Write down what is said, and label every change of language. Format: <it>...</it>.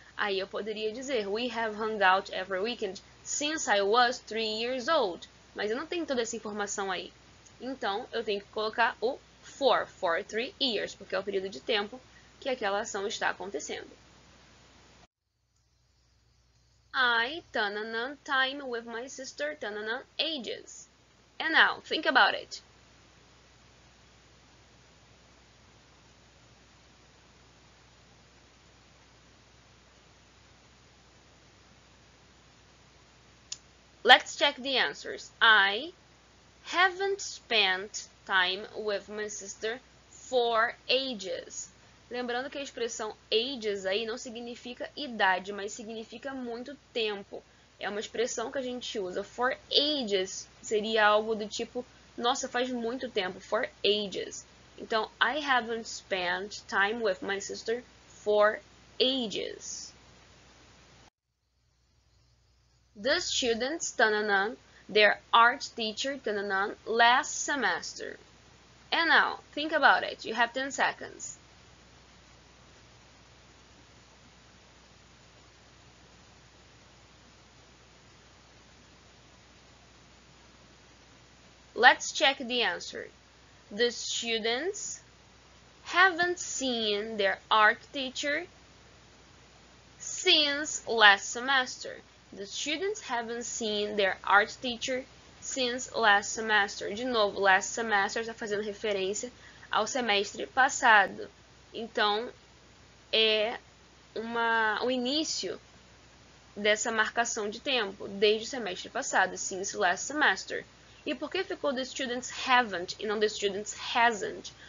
<pt>Aí eu poderia dizer,</pt> <en>we have hung out every weekend since I was 3 years old.</en> <pt>Mas eu não tenho toda essa informação aí. Então, eu tenho que colocar o</pt> <en>for 3 years,</en> <pt>porque é o período de tempo que aquela ação está acontecendo.</pt> <en>I, tananan, time with my sister, tananan, ages. And now, think about it. Let's check the answers. I haven't spent time with my sister for ages.</en> <pt>Lembrando que a expressão ages aí não significa idade, mas significa muito tempo. É uma expressão que a gente usa.</pt> <en>For ages</en> <pt>seria algo do tipo, nossa, faz muito tempo.</pt> <en>For ages.</en> <pt>Então,</pt> <en>I haven't spent time with my sister for ages. The students, tananan, their art teacher, tananan, last semester. And now, think about it. You have 10 seconds. Let's check the answer. The students haven't seen their art teacher since last semester. The students haven't seen their art teacher since last semester.</en> <pt>De novo,</pt> <en>last semester</en> <pt>está fazendo referência ao semestre passado. Então, é o início dessa marcação de tempo, desde o semestre passado,</pt> <en>since last semester.</en> <pt>E por que ficou</pt> <en>the students haven't</en> <pt>e não</pt> <en>the students hasn't?</en>